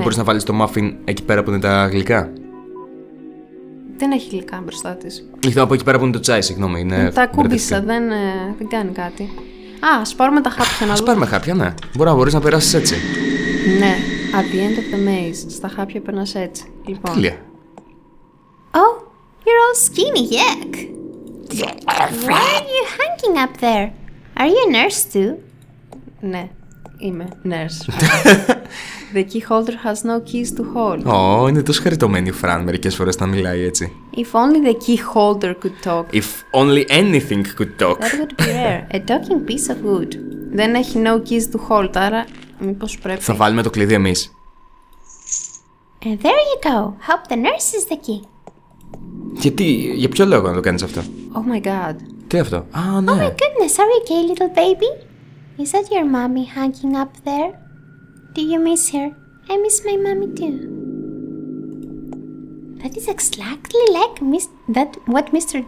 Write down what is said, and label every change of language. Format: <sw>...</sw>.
<el>Μπορείς να βάλεις το muffin εκεί πέρα που είναι τα γλυκά. Δεν έχει γλυκά μπροστά της. Ήχθω από εκεί πέρα που είναι το τσάι, συγγνώμη. Είναι τα κούμπισα, δεν κάνει κάτι. Α, ας πάρουμε τα χάπια να δούμε. Ας πάρουμε χάπια, ναι. Μπορείς να περάσεις έτσι.</el> <en>Ναι, at the end of the maze.</en> <el>Στα χάπια περνάς έτσι, λοιπόν. Τέλεια.</el> <en>Oh, you're all skinny, yuck. Why are you hanging up there? Are you a nurse too?</en> <el>Ναι, είμαι nurse.</el> <en>The keyholder has no keys to hold.</en> <el>Oh, είναι τόσο χαριτωμένη η Φραν μερικές φορές να μιλάει έτσι.</el> <en>If only the keyholder could talk. If only anything could talk. That would be rare. A talking piece of wood.</en> <el>Δεν έχει</el> <en>no keys to hold,</en> <el>άρα μήπως πρέπει. Θα βάλουμε το κλειδί εμείς.</el> <en>And there you go. Hope the nurse is the key.</en> <el>Γιατί, για ποιο λόγο να το κάνεις αυτό?</el> <en>Oh my god.</en> <el>Τι αυτό? Α, ναι.</el> <en>Oh my goodness, are you okay, little baby? Is that your mommy hanging up there? Do you miss her? I miss my mommy too. That is exactly like what Mr.</en>